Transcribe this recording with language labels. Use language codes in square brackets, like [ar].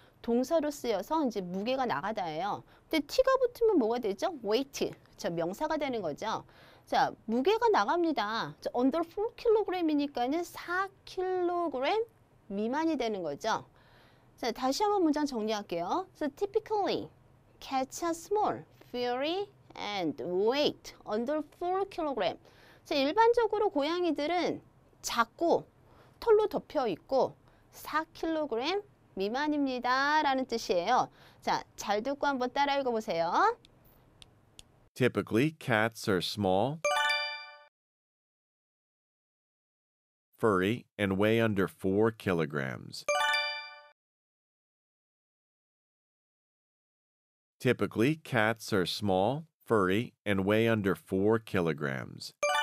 [ko] 동사로 쓰여서 이제 무게가 나가다예요. 근데 T가 붙으면 뭐가 되죠? Weight. 자, 명사가 되는 거죠. 자, 무게가 나갑니다. 자, [en] under 4kg [ko] 이니까는 4kg 미만이 되는 거죠. 자, 다시 한번 문장 정리할게요. [en] So typically, cats are small, furry, and weight under 4kg. [ko] 자, 일반적으로 고양이들은 작고 털로 덮여 있고 4kg 미만입니다. 라는 뜻이에요. 자, 잘 듣고 한번 따라 읽어보세요. [en] Typically, cats are small, furry, and weigh under 4 kilograms. Typically, cats are small, furry, and weigh under 4 kilograms.